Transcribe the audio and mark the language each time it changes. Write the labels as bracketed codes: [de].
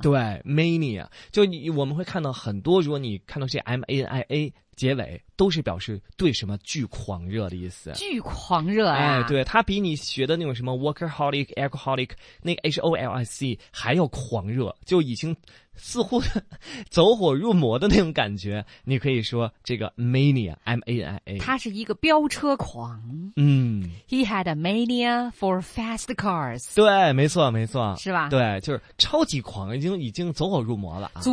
[zh] 对 ，mania， 就你我们会看到很多，如果你看到这 mania 结尾，都是表示对什么巨狂热的意思。巨狂热啊！哎，对，它比你学的那种什么 workaholic、alcoholic 那个 holic 还要狂热，就已经似乎走火入魔的那种感觉。你可以说这个 mania， mania，它是一个飙车狂。 [en] He had a mania for fast cars。 [zh] 对，没错没错，是吧？对，就是超级狂，已经走火入魔了，啊，